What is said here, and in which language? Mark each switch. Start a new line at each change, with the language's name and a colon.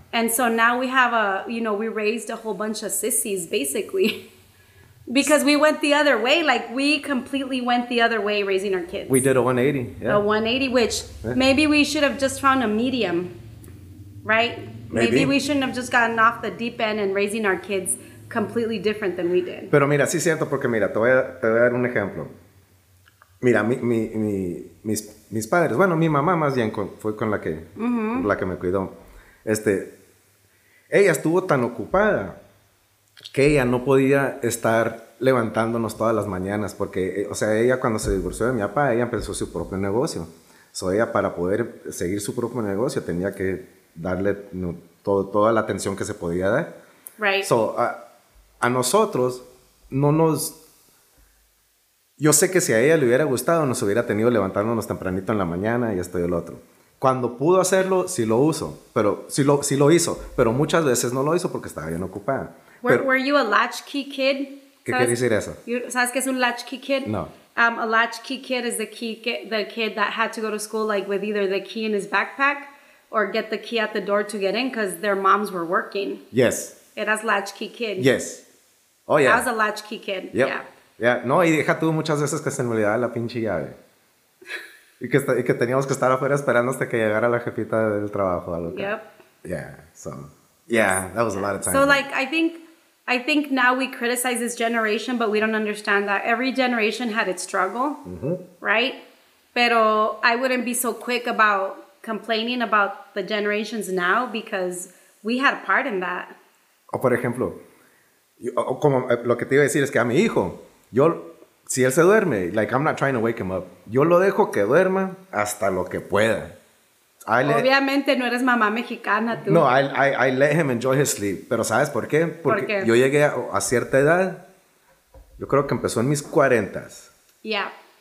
English: And so now we have we raised a whole bunch of sissies, basically, because we went the other way. Like, we completely went the other way raising our kids. We did a 180. Yeah. A 180, which maybe we should have just found a medium, right? Maybe. Maybe we shouldn't have just gotten off the deep end and raising our kids completely different than we did.
Spanish: Pero mira, sí es cierto, porque mira, te voy a dar un ejemplo. Mira, mis padres, bueno, mi mamá más bien fue con la que me cuidó. Ella estuvo tan ocupada que ella no podía estar levantándonos todas las mañanas porque, o sea, ella cuando se divorció de mi papá, ella empezó su propio negocio. So ella, para poder seguir su propio negocio, tenía que darle toda la atención que se podía dar. Right. So a nosotros no nos... Yo sé que si a ella le hubiera gustado, nos hubiera tenido levantándonos tempranito en la mañana y esto y el otro. Cuando pudo hacerlo, sí lo hizo, pero muchas veces no lo hizo porque estaba bien ocupada.
English: Were you a latchkey kid?
Spanish: ¿Qué quiere decir eso? ¿Sabes qué es un latchkey kid? No.
English: A latchkey kid is the kid that had to go to school like with either the key in his backpack or get the key at the door to get in because their moms were working. Yes.
Spanish: Eras latchkey kid.
English: Yes. Oh, yeah. I was a latchkey kid. Yep. Yeah. Yeah.
Spanish: No, y deja tú muchas veces que se me olvidaba la pinche llave. Y que teníamos que estar afuera esperando hasta que llegara la jefita del trabajo. Algo
English: yep. That was a lot of time. So, like, I think now we criticize this generation, but we don't understand that every generation had its struggle, mm-hmm. right? Pero I wouldn't be so quick about complaining about the generations now because we had a part in that.
Spanish: O, por ejemplo, como lo que te iba a decir es que a mi hijo, yo... Si él se duerme,
English: like, I'm not trying to wake him up.
Spanish: Yo lo dejo que duerma hasta lo que pueda. Obviamente no eres mamá mexicana, tú.
English: No, I let him enjoy his sleep.
Spanish: Pero ¿sabes por qué? Porque yo llegué a cierta edad, yo creo que empezó en mis 40s.
English: Yeah.